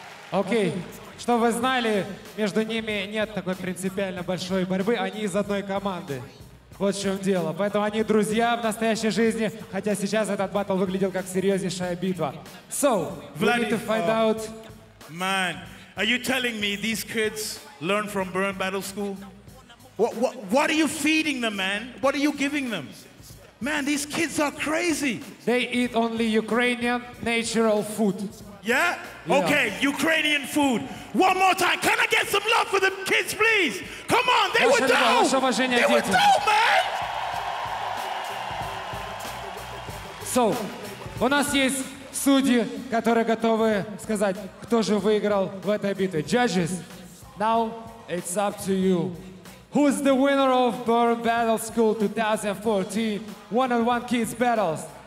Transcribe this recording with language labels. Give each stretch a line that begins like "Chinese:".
Russian: Окей. Чтобы вы знали, между ними нет такой принципиально большой борьбы. Они из одной команды. Вот в чем дело. Поэтому они друзья в настоящей жизни. Хотя сейчас этот батл выглядел как серьезнейшая битва.
English: So, we need to find out. Man, are you telling me these kids learn from Burn Battle School? What are you feeding them, man? What are you giving them? Man, these kids are crazy. They eat only Ukrainian natural food. Yeah? Okay, Ukrainian food. One more time. Can I get some love for them kids, please? Come on, they were dope. They were dope, man.
Russian: So, у нас есть судьи, которые готовы сказать, кто же выиграл в этой битве.
English: Judges. Now it's up to you. Who's the winner of Burn Battle School 2014 one-on-one kids battles?